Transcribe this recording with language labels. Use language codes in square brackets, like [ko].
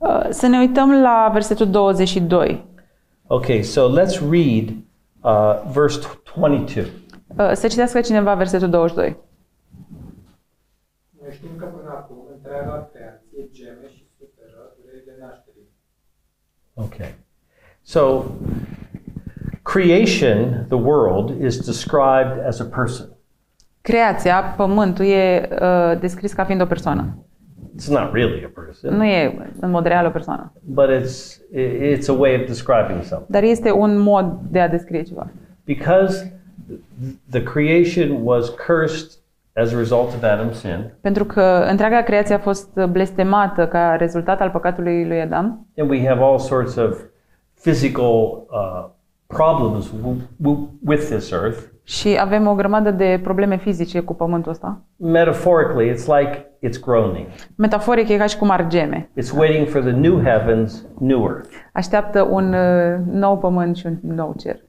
[ro] Să ne uităm la versetul 22. [en] Okay, so let's read verse 22. [ro] Să citească cineva versetul 22. Noi știm că până acum întreaga creație geme și suferă durerile de nașterii. [en] Okay. So creation, the world, is described as a person. [ro] Creația, pământul, e descris ca fiind o persoană. [en] It's not really a person. [ro] Nu e în mod real o persoană. [en] But it's a way of describing something. [ro] Dar este un mod de a descrie ceva. [en] Because the creation was cursed as a result of Adam's sin. [ro] Pentru că întreaga creație a fost blestemată ca rezultat al păcatului lui Adam. [en] And we have all sorts of physical problems with this earth. [ro] Și avem o grămadă de probleme fizice cu pământul ăsta. [en] Metaphorically, it's like it's groaning. [ro] Metaforic, e ca și cum ar geme. [en] It's waiting for the new heavens, new earth. [ro] Așteaptă un nou pământ și un nou cer.